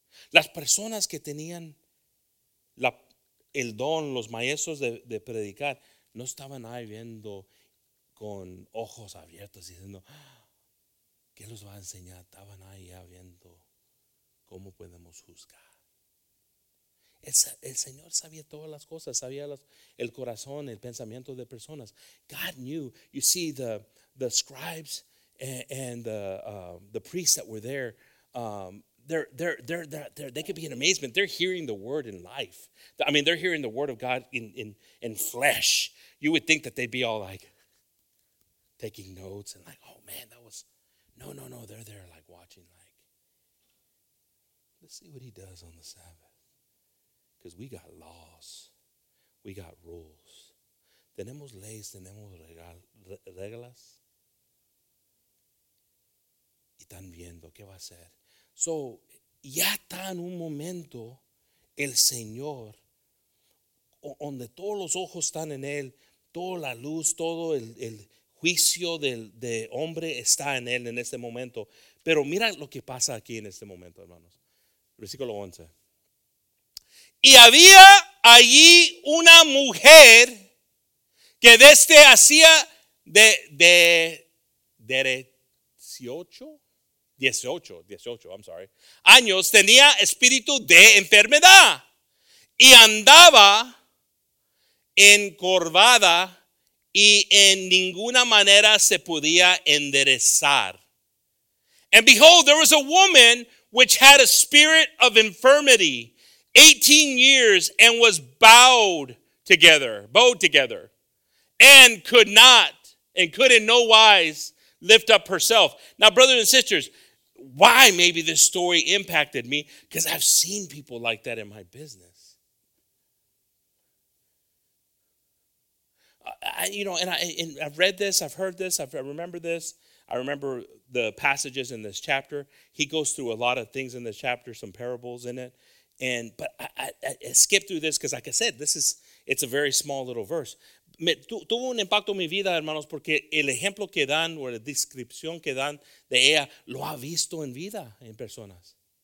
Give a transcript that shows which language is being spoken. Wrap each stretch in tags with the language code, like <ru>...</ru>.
<es>Las personas que tenían el don, los maestros de predicar, no estaban ahí viendo con ojos abiertos diciendo, ¿qué los va a enseñar? Estaban ahí viendo cómo podemos juzgar. El Señor sabía todas las cosas, sabía el corazón, el pensamiento de personas.</es> <en>God knew. You see, the scribes and the priests that were there, they could be in amazement. They're hearing the word in life. I mean, they're hearing the word of God in flesh. You would think that they'd be all like taking notes and like, oh man, that was no. They're there like watching, like, let's see what he does on the Sabbath. Because we got laws, we got rules.</en> <es>Tenemos leyes, tenemos reglas. Y están viendo qué va a hacer. So, ya está en un momento el Señor, donde todos los ojos están en Él, toda la luz, todo el juicio de hombre está en Él en este momento. Pero mira lo que pasa aquí en este momento, hermanos. Versículo 11. Y había allí una mujer que desde hacía de 18</es> <en>I'm sorry,</en> <es>años tenía espíritu de enfermedad y andaba encorvada y en ninguna manera se podía enderezar.</es> <en>And behold, there was a woman which had a spirit of infirmity 18 years and was bowed together, and could not, and could in no wise lift up herself. Now, brothers and sisters, why maybe this story impacted me? Because I've seen people like that in my business. I've read this, I've heard this, I remember this. I remember the passages in this chapter. He goes through a lot of things in this chapter, some parables in it. But I skip through this because, like I said, it's a very small little verse.</en> <es>Tuvo un impacto en mi vida, hermanos, porque el ejemplo que dan o la descripción que dan de ella lo ha visto en vida en personas.</es>